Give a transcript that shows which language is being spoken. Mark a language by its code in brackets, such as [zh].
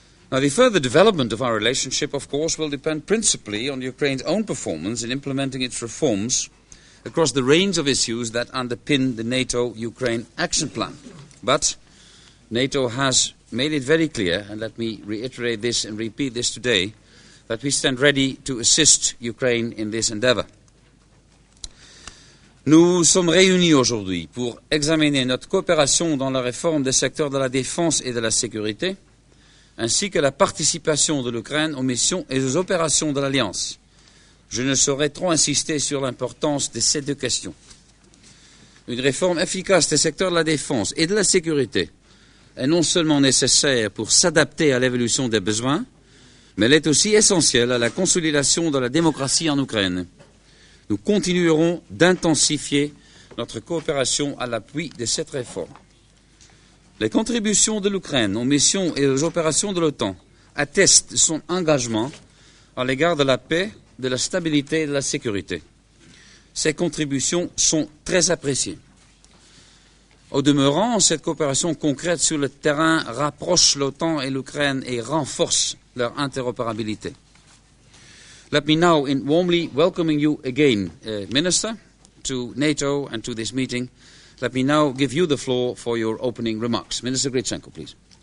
[en] Now, the further development of our relationship, of course, will depend principally on Ukraine's own performance in implementing its reforms across the range of issues that underpin the NATO-Ukraine action plan. But NATO has made it very clear, and let me reiterate this and repeat this today, that we stand ready to assist Ukraine in this endeavor. [fr] Nous sommes réunis aujourd'hui pour examiner notre coopération dans la réforme des secteurs de la défense et de la sécurité, ainsi que la participation de l'Ukraine aux missions et aux opérations de l'Alliance. Je ne saurais trop insister sur l'importance de ces deux questions. Une réforme efficace des secteurs de la défense et de la sécurité est non seulement nécessaire pour s'adapter à l'évolution des besoins, mais elle est aussi essentielle à la consolidation de la démocratie en Ukraine. Nous continuerons d'intensifier notre coopération à l'appui de cette réforme. Les contributions de l'Ukraine aux missions et aux opérations de l'OTAN attestent son engagement à l'égard de la paix, de la stabilité et de la sécurité. Ces contributions sont très appréciées. Au demeurant, cette coopération concrète sur le terrain rapproche l'OTAN et l'Ukraine et renforce leur interopérabilité. [en] Let me now, in warmly welcoming you again, Minister, to NATO and to this meeting, let me now give you the floor for your opening remarks. Minister Gritsenko, please.